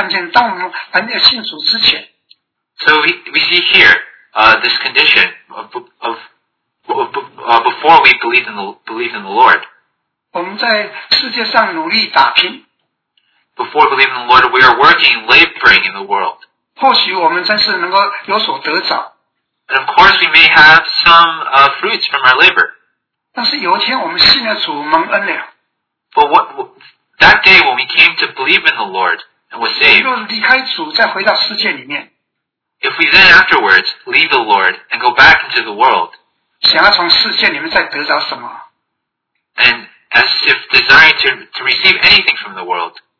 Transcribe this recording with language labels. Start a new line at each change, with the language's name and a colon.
Chinese: 所以这个让我们在这里让我们可以看见，当我们还没有信主之前。
English: So we see here this condition of before we believe in the Lord.
Chinese: 我们在世界上努力打拼。
English: Before believing in the Lord, we are working, laboring in the world.
Chinese: 或许我们真是能够有所得着。
English: And of course, we may have some fruits from our labor.
Chinese: 但是有一天我们信了主蒙恩了。
English: But that day when we came to believe in the Lord and was saved.
Chinese: 如果离开主再回到世界里面。
English: If we then afterwards leave the Lord and go back into the world.
Chinese: 想要从世界里面再得着什么。
English: And as if desiring to receive anything from the world.